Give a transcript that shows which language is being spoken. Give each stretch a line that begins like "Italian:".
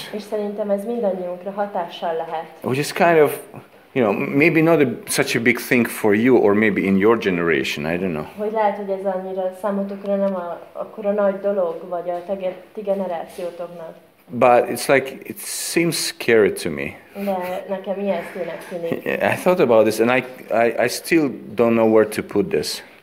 Hungarian: És szerintem ez mindannyiunkra hatással lehet.
English: Which is kind of, you know, maybe not such a big thing for you or maybe in your generation, I don't know.
Hungarian: Hogy lehet, hogy ez annyira számotokra nem akkora nagy dolog, vagy a ti generációtoknak.
English: But it's like, it seems scary to me. I thought about this and I still don't know where to put this.